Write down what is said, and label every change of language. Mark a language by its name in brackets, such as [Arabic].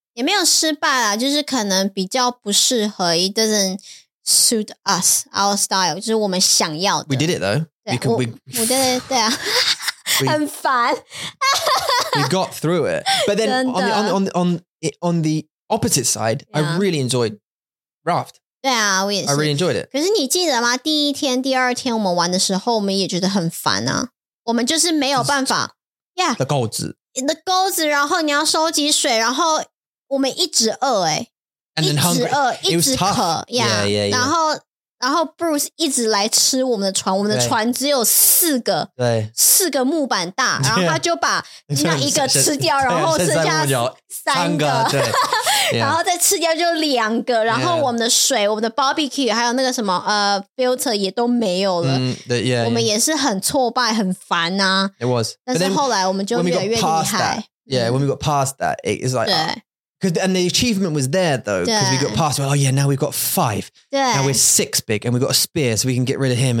[Chinese] 也没有失败啦就是可能比较不适合 [English] it doesn't suit us, our style, [Chinese] 就是我们想要的。 [English] We did it though. [Chinese] 对 我对对对啊。很烦。 [English] We got through it. But then on the opposite side, I really enjoyed Raft. [Chinese] 对啊，我也是。 [English] I really enjoyed it. [Chinese] 可是你记得吗？第一天、第二天我们玩的时候，我们也觉得很烦啊。我们就是没有办法。 [English] Yeah. The [Chinese] 钩子。 The 钩子，然后你要收集水，然后我们一直饿哎、欸。 [English] And then hungry. [Chinese] 一直饿，一直渴。 [English] Yeah. [Chinese] 然后然后 Bruce 一直来吃我们的船，我们的船只有四个，对，四个木板大，然后他就把那一个吃掉，然后剩下三个，对，然后再吃掉就两个，然后我们的水、我们的 barbecue 还有那个什么filter 也都没有了，对，我们也是很挫败，很烦啊。 [English] It was， [Chinese] 但是后来我们就越来越厉害。 [English] Yeah, when we got past that, it's like. Cause, and the achievement was there though, because we got past, well, oh yeah, now we've got five. Now we're six big and we've got a spear so we can get rid of him.